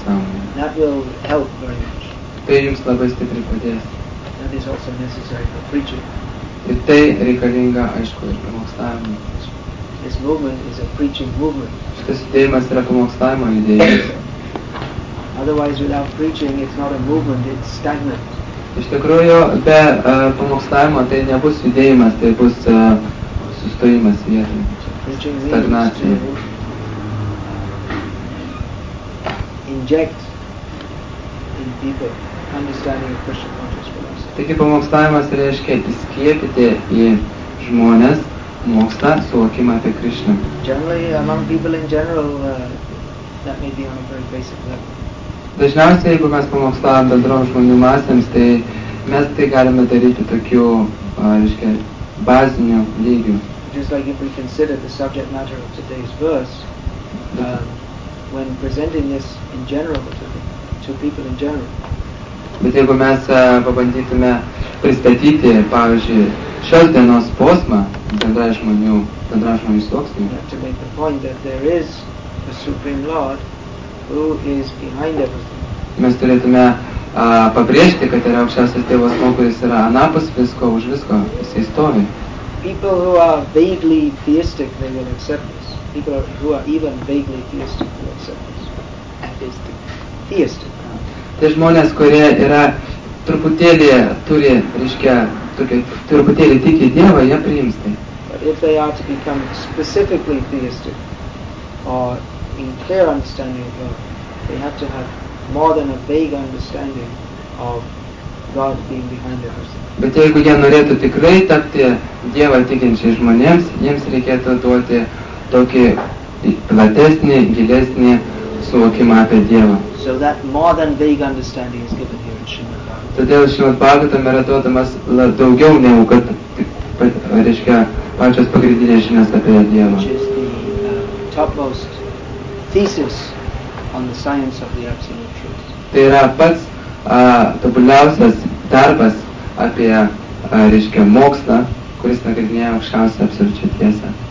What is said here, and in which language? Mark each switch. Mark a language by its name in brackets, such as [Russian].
[Lithuanian] sąmonėje. Tai jums labai stipriai padės. [English] That is also necessary for preaching. [Lithuanian] Ir tai reikalinga, aišku, ir pamokslavimui. [English] This movement is a preaching movement. [Lithuanian] Šitas judėjimas yra pamokslavimo judėjimas. [English] Otherwise, without preaching, it's not a movement, it's stagnant. [Lithuanian] Iš tikrųjų, be pamokslavimo tai nebus judėjimas, tai bus sustojimas vietoj. Stagnacija. [English] Inject in people understanding of Krishna consciousness. [Lithuanian] Taigi pamokslavimas reiškia įskiepyti į žmones mokslą suvokimą apie Krishna. [English] Generally, among people in general, that may be on a very basic level. [Lithuanian] Dažniausiai, jeigu mes pamokslavom bendrom žmonių masėms, tai mes tai galime daryti tokiu, reiškia, baziniu lygiu. [English] Just like if we consider the subject matter of today's verse, when presenting this in general to people in general. [Lithuanian] Bet jeigu mes pabandytume pristatyti, pavyzdžiui, šios dienos posmą bendrai žmonių sluoksniui. [English] To make the point that there is a Supreme Lord who is behind everything. [Lithuanian] Mes turėtume pabrėžti, kad yra aukščiausias Dievas, kuris yra anapus visko, už visko, jisai stovi. [English] People who are vaguely theistic, they will accept this. People who are even vaguely theistic will accept this. Theistic. [Lithuanian] Tai žmonės, kurie yra truputėlį turi, reiškia, truputėlį tiki Dievą, jie priims tai. [English] But if they are to become specifically theistic, or in clear understanding of God, they have to have more than a vague understanding of God being behind everything. [Lithuanian] Bet jeigu jie norėtų tikrai tapti Dievą tikinčiais žmonėms, jiems reikėtų duoti tokį platesnį, gilesnį suvokimą apie Dievą. [English] So that more than vague understanding is given here in Srimad Bhagavatam. [Lithuanian] Todėl Srimad Bhagavatam yra duodamas daugiau negu kad, reiškia, pačios pagrindinės žinias apie Dievą. [English] Thesis on the science of the absolute truth. [Lithuanian] Tai yra pats tobuliausias darbas apie, reiškia, mokslą, kuris nagrinėja aukščiausią absoliučią tiesą.